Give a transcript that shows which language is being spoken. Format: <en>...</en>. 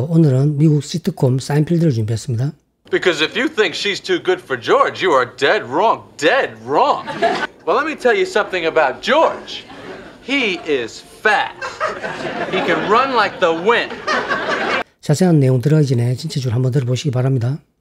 <ko>오늘은 미국 시트콤 사인필드를 준비했습니다.</ko> <en>Because if you think she's too good for George, you are dead wrong, dead wrong. Well, let me tell you something about George. He is fast. He can run like the wind.</en> <ko>자세한 내용 들어가기 전에 전체적으로 한번 들어보시기 바랍니다.</ko>